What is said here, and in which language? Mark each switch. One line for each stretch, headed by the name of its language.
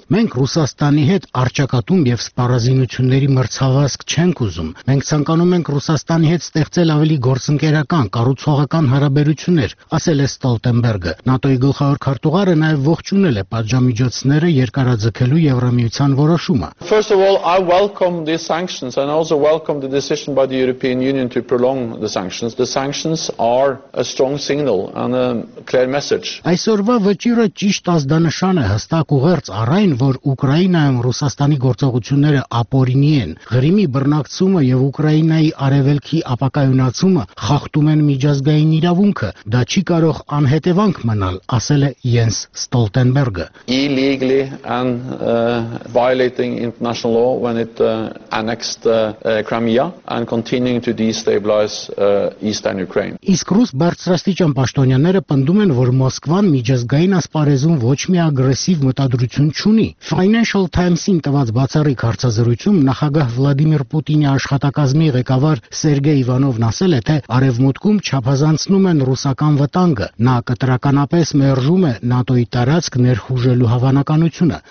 Armenian: Մենք Ռուսաստանի հետ արճակատում եւ սպառազինությունների մրցավազք չենք ուզում։ Մենք ցանկանում ենք Ռուսաստանի հետ ստեղծել ավելի գործընկերական, կառուցողական հարաբերություններ, ասել է Ստոլտենբերգը։ ՆԱՏՕ-ի գլխավոր քարտուղարը նաեւ ողջունել է պատժամիջոցները երկարաձգելու Եվրամիության որոշումը։
English: First of all, I welcome the sanctions and also welcome the decision by the European Union to prolong the sanctions. The sanctions are a strong signal and a clear message.
Armenian: Այսօրվա վճիրը ճիշտ ազդանշան է հստակ ուղերձ առայն, որ Ուկրաինայում Ռուսաստանի գործողությունները ապօրինի են։ Ղրիմի բռնակցումը եւ Ուկրաինայի արևելքի ապակայունացումը խախտում են միջազգային իրավունքը։ Դա չի կարող անհետևանք մնալ, ասել է Յենս Ստոլտենբերգը։
English: Illegally and violating international law when it annexed Crimea and continuing to destabilize eastern Ukraine.
Armenian: Իսկ ռուս բարձրաստիճան պաշտոնյաները պնդում են, որ Մոսկվան միջազգային ասպարեզում ոչ մի ագրեսիվ մտադրություն չունի։ Financial Times-ին տված բացառիկ հարցազրույցում նախագահ Վլադիմիր Պուտինի աշխատակազմի ղեկավար Սերգեյ Իվանովն ասել է, թե արևմուտքում չափազանցնում են ռուսական վտանգը։ Նա կտրականապես մերժում է ՆԱՏՕ-ի տարածք ներխուժելու հավանականությունը։